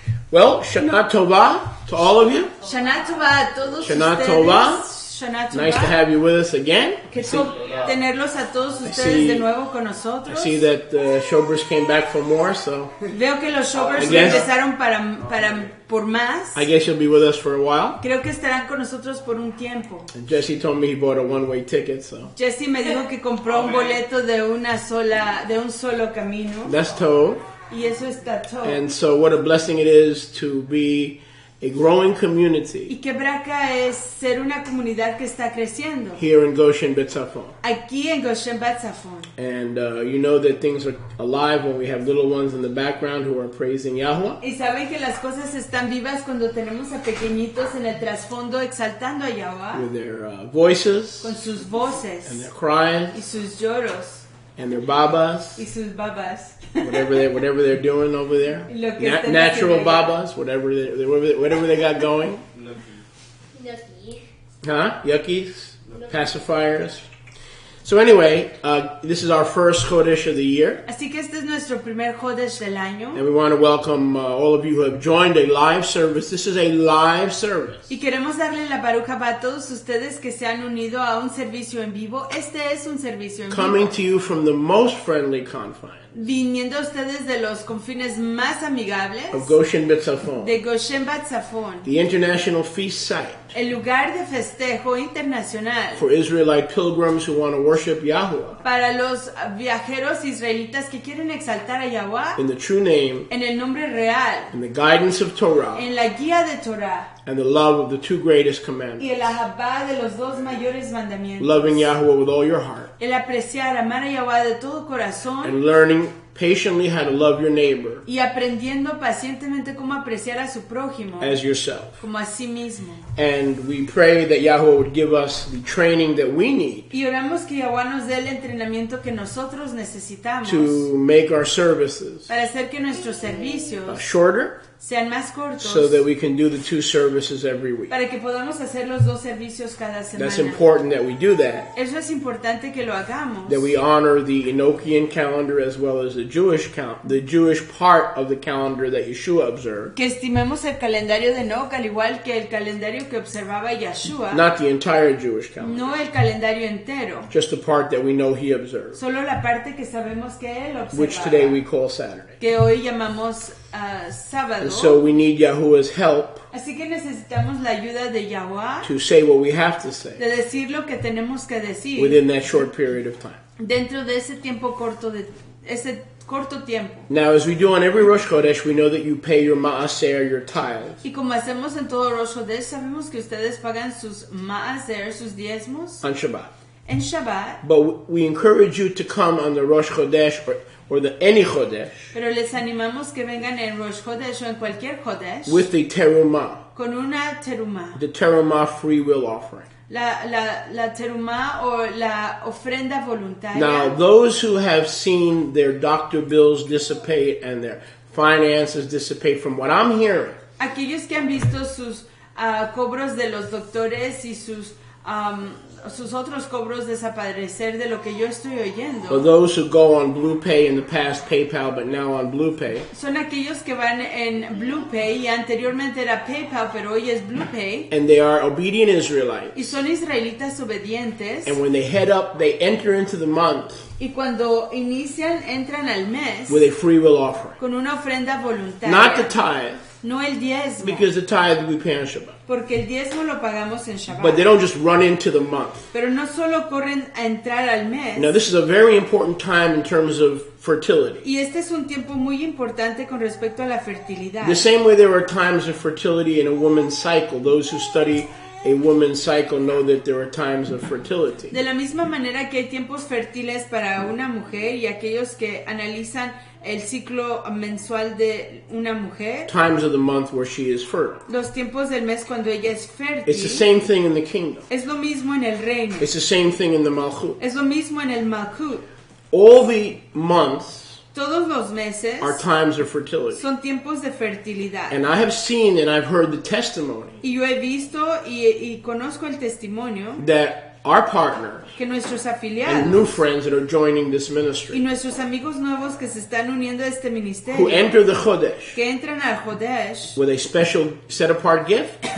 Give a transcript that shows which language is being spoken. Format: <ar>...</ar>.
<en>Well, Shana Tova to all of you.</en> <es>Shana Tova a todos</es> <he>Shana</he> <es>ustedes.</es> <he>Tova.</he> <en>Nice to have you with us again.</en> <es>Tenerlos a todos ustedes de nuevo con nosotros.</es> <en>I see that the Showbers came back for more, so.</en> <es>Veo que los Showbers regresaron para por más.</es> <en>I guess you'll be with us for a while.</en> <es>Creo que estarán con nosotros por un tiempo.</es> <en>And Jesse told me he bought a one-way ticket, so.</en> <es>Jesse me dijo que compró un boleto de una sola de un solo camino.</es> <en>That's Tov.</en> <es>Y eso está Tov.</es> <en>And so, what a blessing it is to be a growing community.</en> <es>Y que Braca es ser una comunidad que está creciendo.</es> <en>Here in Goshen Betzafon.</en> <es>Aquí en Goshen Betzafon.</es> <en>And you know that things are alive when we have little ones in the background who are praising Yahweh.</en> <es>Y saben que las cosas están vivas cuando tenemos a pequeñitos en el trasfondo exaltando a Yahweh.</es> <en>With their voices.</en> <es>Con sus voces.</es> <en>And their cries.</en> <es>Y sus lloros.</es> <en>And their babas.</en> <es>Y sus babas.</es> <en>Whatever they're doing over there. Natural</en> <es>babas.</es> <en>Whatever they got going. Huh? Yuckies. Pacifiers. So anyway, this is our first Chodesh of the year.</en> <es>Así que este es nuestro primer Chodesh del año.</es> <en>And we want to welcome all of you who have joined a live service. This is a live service.</en> <es>Y queremos darle la baruja a todos ustedes que se han unido a un servicio en vivo. Este es un servicio en vivo.</es> <en>Coming to you from the most friendly confines.</en> <es>Viniendo ustedes de los confines más amigables.</es> <en>Of Goshen Betzafon.</en> <es>De Goshen Betzafon.</es> <en>The international feast site.</en> <es>El lugar de festejo internacional.</es> <en>For Israelite pilgrims who want to worship Yahweh.</en> <es>Para los viajeros israelitas que quieren exaltar a Yahweh.</es> <en>In the true name.</en> <es>En el nombre real.</es> <en>In the guidance of Torah.</en> <es>En la guía de Torah.</es> <en>And the love of the two greatest commandments.</en> <es>Y el ahabá de los dos mayores mandamientos.</es> <en>Loving Yahweh with all your heart.</en> <es>El apreciar, amar a Yahweh de todo corazón.</es> <en>And learning patiently how to love your neighbor.</en> <es>Y aprendiendo pacientemente cómo apreciar a su prójimo.</es> <en>As yourself.</en> <es>Como a sí mismo.</es> <en>And we pray that Yahweh would give us the training that we need.</en> <es>Y oramos que Yahweh nos dé el entrenamiento que nosotros necesitamos.</es> <en>To make our services.</en> <es>Para hacer que nuestros servicios.</es> <en>Shorter.</en> <es>Sean más cortos.</es> <en>So that we can do the two services every week.</en> <es>Para que podamos hacer los dos servicios cada semana.</es> <en>That's important that we do that.</en> <es>Eso es importante que lo hagamos.</es> <en>That we honor the Enochian calendar as well as the Jewish part of the calendar that Yeshua observed.</en> <es>Que estimemos el calendario de Enoch al igual que el calendario que observaba Yeshua.</es> <en>Not the entire Jewish calendar.</en> <es>No el calendario entero.</es> <en>Just the part that we know he observed.</en> <es>Solo la parte que sabemos que él observaba.</es> <en>Which today we call Saturday.</en> <es>Que hoy llamamos sábado.</es> <en>And so we need Yahuwah's help.</en> <es>Así que necesitamos la ayuda de Yahuwah.</es> <en>To say what we have to say.</en> <es>De decir lo que tenemos que decir.</es> <en>Within that short period of time.</en> <es>Dentro de ese tiempo corto de ese corto tiempo.</es> <en>Now, as we do on every Rosh Chodesh, we know that you pay your maaser, your tithes.</en> <es>Y como hacemos en todo Rosh Chodesh, sabemos que ustedes pagan sus maaser, sus diezmos.</es> <en>On Shabbat.</en> <es>En Shabbat.</es> <en>But we encourage you to come on the Rosh Chodesh or the any Chodesh.</en> <es>Pero les animamos que vengan en Rosh Chodesh o en cualquier Chodesh.</es> <en>With the terumah.</en> <es>Con una terumah.</es> <en>The terumah free will offering.</en> <es>La terumah o la ofrenda voluntaria.</es> <en>Now, those who have seen their doctor bills dissipate and their finances dissipate from what I'm hearing.</en> <es>Aquellos que han visto sus cobros de los doctores y sus sus otros cobros desaparecer de lo que yo estoy oyendo.</es> <en>For those who go on Blue Pay in the past PayPal but now on Blue Pay.</en> <es>Son aquellos que van en Blue Pay y anteriormente era PayPal pero hoy es Blue Pay.</es> <en>And they are obedient Israelites.</en> <es>Y son israelitas obedientes.</es> <en>And when they head up they enter into the month.</en> <es>Y cuando inician entran al mes.</es> <en>With a free will offering.</en> <es>Con una ofrenda voluntaria.</es> <en>Not the tithe.</en> <es>No el diezmo.</es> <en>Because the tithe we pay on Shabbat.</en> <es>Porque el diezmo lo pagamos en Shabbat.</es> <en>But they don't just run into the month.</en> <es>Pero no solo corren a entrar al mes.</es> <en>Now this is a very important time in terms of fertility.</en> <es>Y este es un tiempo muy importante con respecto a la fertilidad.</es> <en>The same way there are times of fertility in a woman's cycle. Those who study a woman's cycle know that there are times of fertility.</en> <es>De la misma manera que hay tiempos fértiles para una mujer y aquellos que analizan el ciclo mensual de una mujer.</es> <en>Times of the month where she is fertile.</en> <es>Los tiempos del mes cuando ella es fértil.</es> <en>It's the same thing in the kingdom.</en> <es>Es lo mismo en el reino.</es> <en>It's the same thing in the malchut.</en> <es>Es lo mismo en el malchut.</es> <en>All the months.</en> <es>Todos los meses.</es> <en>Are times of fertility.</en> <es>Son tiempos de fertilidad.</es> <en>And I have seen and I've heard the testimony.</en> <es>Y yo he visto y conozco el testimonio.</es> <en>That our partners,</en> <es>que nuestros afiliados,</es> <en>and new friends that are joining this ministry,</en> <es>y nuestros amigos nuevos que se están uniendo a este ministerio,</es> <en>who enter the Chodesh,</en> <es>que entran al Chodesh,</es> <en>with a special set apart gift,</en>